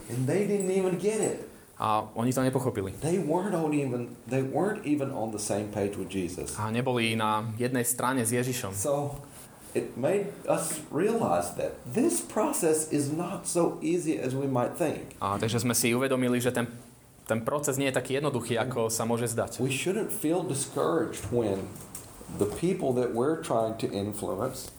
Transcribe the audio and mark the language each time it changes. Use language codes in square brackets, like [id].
[en] And they didn't even get it. [sk] A oni to nepochopili. [en] They weren't even on the same page with Jesus. [sk] A neboli na jednej strane s Ježišom. [en] So it made us realize that this process is not so easy as we might think. [sk] A takže sme si uvedomili, že ten proces nie je taký jednoduchý, ako sa môže zdať. [en] We shouldn't feel discouraged when the people that we're trying to influence.